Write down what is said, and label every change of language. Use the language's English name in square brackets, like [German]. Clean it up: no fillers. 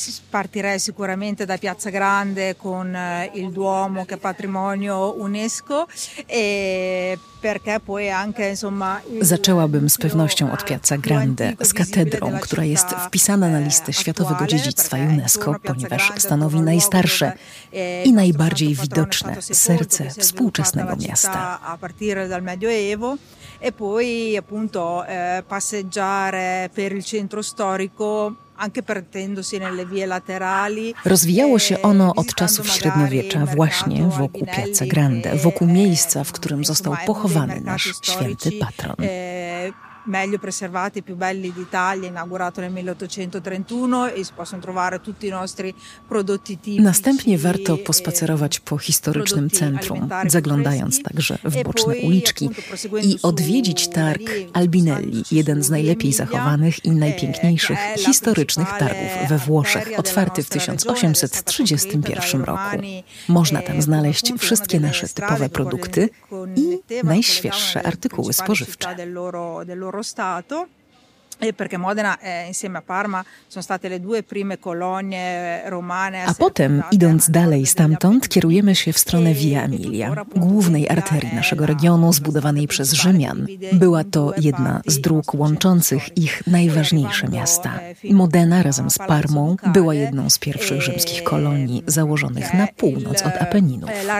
[Italian] Partirei sicuramente da Piazza Grande con il Duomo che è patrimonio UNESCO e perché poi anche insomma. [Polish] Zaczęłabym z pewnością od Piazza Grande, z katedrą, która jest wpisana na listę światowego dziedzictwa UNESCO, ponieważ stanowi najstarsze i najbardziej widoczne serce współczesnego miasta. [Italian] A partire dal Medioevo. E poi appunto passeggiare per il centro storico anche perdendosi nelle vie laterali. [Polish] Rozwijało się ono od czasów średniowiecza właśnie wokół Piazza Grande, wokół miejsca, w którym został pochowany nasz święty patron. [Italian] Meglio preservati, più belli d'Italia, inaugurato nel 1831 e possono trovare tutti i nostri prodotti tipici. [Polish] Następnie warto pospacerować po historycznym centrum, zaglądając także w boczne uliczki i odwiedzić targ Albinelli, jeden z najlepiej zachowanych i najpiękniejszych historycznych targów we Włoszech, otwarty w 1831 roku. Można tam znaleźć wszystkie nasze typowe produkty i najświeższe artykuły spożywcze. [Italian] Stato Perché Modena, insieme a Parma, sono state le due prime colonie romane. [Polish] A potem, idąc dalej stamtąd, kierujemy się w stronę Via Emilia, głównej arterii naszego regionu, zbudowanej przez Rzymian. Była to jedna z dróg łączących ich najważniejsze miasta. Modena razem z Parmą była jedną z pierwszych rzymskich kolonii założonych na północ od Apeninów.